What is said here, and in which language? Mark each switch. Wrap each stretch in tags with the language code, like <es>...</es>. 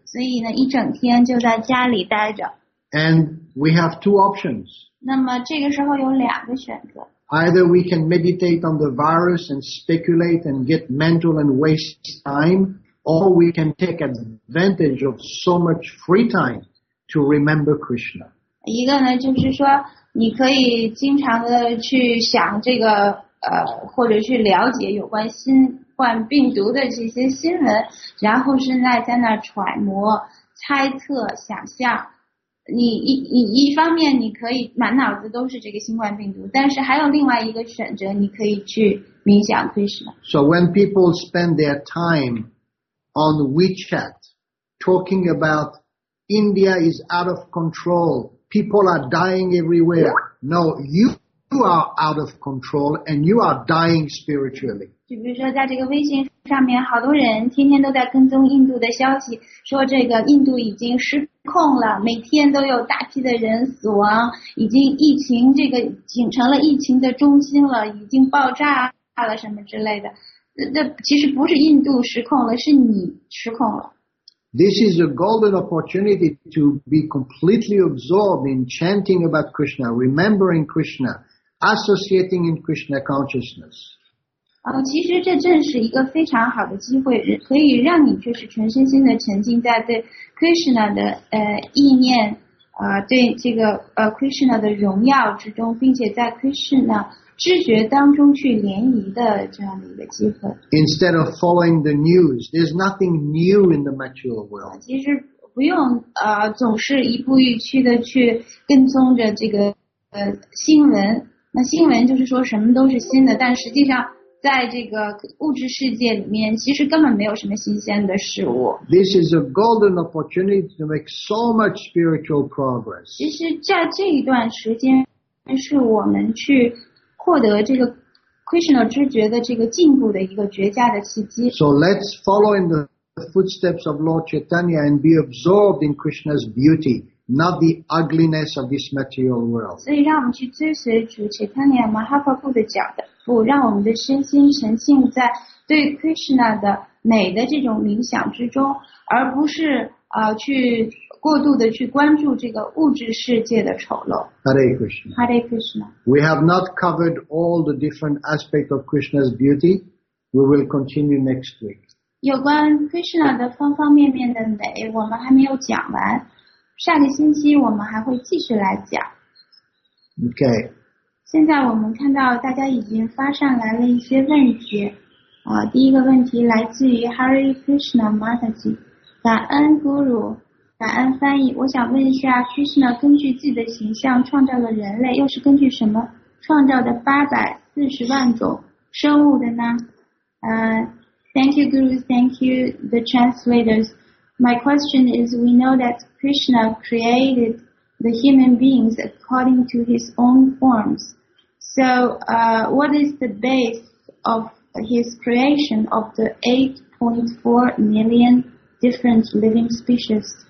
<zh>所以呢，一整天就在家里待着。</zh> <en>And We have two options.</en> <zh>那么这个时候有两个选择。</zh> <en>Either we can meditate on the virus and speculate and get mental and waste time, or we can take advantage of so much free time to remember Krishna.</en> <zh>一个呢就是说你可以经常的去想这个或者去了解有关新冠病毒的这些新闻，然后是在那揣摩、猜测、想象。你一方面你可以满脑子都是这个新冠病毒，但是还有另外一个选择，你可以去冥想 Krishna。</zh> <en>So when people spend their time on WeChat talking about India is out of control, people are dying everywhere. No, you are out of control and you are dying spiritually.</en> <zh>就比如说在这个微信上面好多人天天都在跟踪印度的消息，说这个印度已经失控了，每天都有大批的人死亡，已经疫情这个已经成了疫情的中心了，已经爆炸了什么之类的。这其实不是印度失控了，是你失控了。</zh> <en>This is a golden opportunity to be completely absorbed in chanting about Krishna, remembering Krishna, associating in Krishna consciousness.</en> <zh>其实这正是一个非常好的机会，可以让你就是全身心的沉浸在对 Krishna 的意念，对这个Krishna 的荣耀之中，并且在 Krishna 知觉当中去联谊的这样的一个机会。</zh> <en>Instead of following the news, there's nothing new in the material world.</en> <zh>其实不用总是一步一趋的去跟踪着这个新闻。那新闻就是说什么都是新的，但实际上在这个物质世界里面，其实根本没有什么新鲜的事物。</zh> <en>This is a golden opportunity to make so much spiritual progress.</en> <zh>其实在这一段时间，是我们去获得这个 Krishna 知觉的这个进步的一个绝佳的契机。</zh> <en>So let's follow in the footsteps of Lord Chaitanya and be absorbed in Krishna's beauty, not the ugliness of this material world.</en> <zh>所以让我们去追随主 Chaitanya Mahaprabhu 的脚的。让我们的身心沉浸在对 Krishna 的美的这种冥想之中，而不是去过度的去关注这个物质世界的丑陋。</zh> <en>Hare Krishna. Hare Krishna. We have not covered all the different aspects of Krishna's beauty. We will continue next week.</en> <zh>有关 Krishna 的方方面面的美，我们还没有讲完。下个星期我们还会继续来讲。</zh> <en>Okay.</en> <zh>现在我们看到大家已经发上来了一些问题，第一个问题来自于 Hare Krishna Mataji， 感恩 Guru， 感恩翻译。我想问一下 ，Krishna 根据自己的形象创造了人类，又是根据什么创造的840万种生物的呢？</zh> <en>Thank you, Guru. Thank you, the translators. My question is, we know that Krishna created the human beings according to his own forms. So, what is the base of his creation of the 8.4 million different living species?</en>